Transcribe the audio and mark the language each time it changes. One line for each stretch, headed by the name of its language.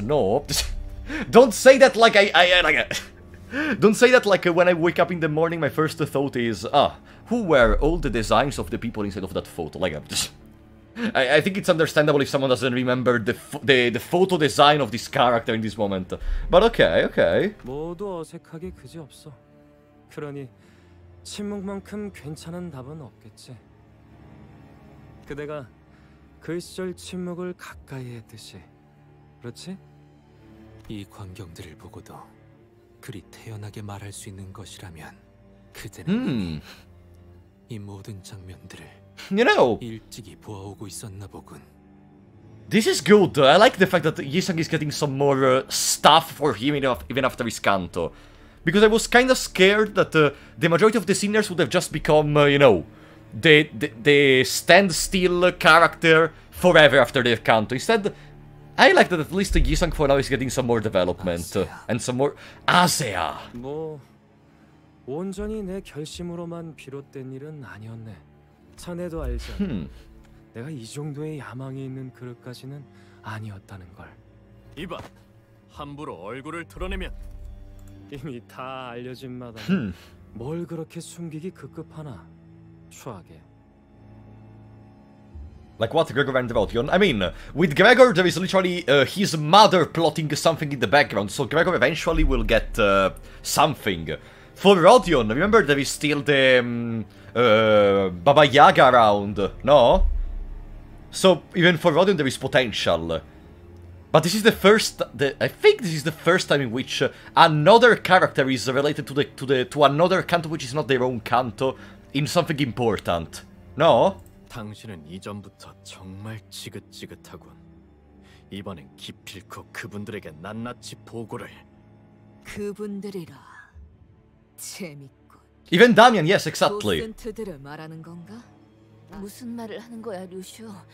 English: No, don't say that like I don't say that like when I wake up in the morning, my first thought is, who were all the designs of the people inside of that photo? Like, I think it's understandable if someone doesn't remember the photo design of this character in this moment. But okay.
Korean: 모두 어색하게 그지 없어. 그러니 침묵만큼 괜찮은 답은 없겠지. 그대가 그 시절 침묵을 가까이 했듯이, 그렇지? 이 광경들을 보고도 그리 태연하게 말할 수 있는 것이라면 그대는 이 모든 장면들을
English: you know,
Korean: 일찍이 보아오고 있었나 보군.
English: This is good. I like the fact that Yisang is getting some more stuff for him even after his canto. Because I was kind of scared that the majority of the sinners would have just become, the standstill character forever after their canto. Instead, I like that at least Yisang for now is getting some more development. And some more... Asea!
Korean: 뭐... 온전히 내 결심으로만 비롯된 일은 아니었네. 자네도 알잖아. 내가 이 정도의 야망이 있는 그릇까지는 아니었다는 걸. 이봐! 함부로 얼굴을 드러내면! 이미 다 알려진 마다 뭘 그렇게 숨기기 급급하나. 추하게.
English: Like what Gregor and about you? I mean, with Gregor there is literally his mother plotting something in the background, so Gregor eventually will get something. For Rodion, remember there is still the Baba Yaga around, no? So even for Rodion there is potential. But this is the first, I think this is the first time in which another character is related to the another Canto which is not their own Canto in something important. No?
Korean: 당신은 이전부터 정말 지긋지긋하군. 이번엔 기필코 그분들에게 낱낱이 보고를. 그분들이라. 재밌군.
English: Even Damian, yes, exactly.
Korean: 도센트들을 말하는 건가? 무슨 말을 하는 거야, 루슈?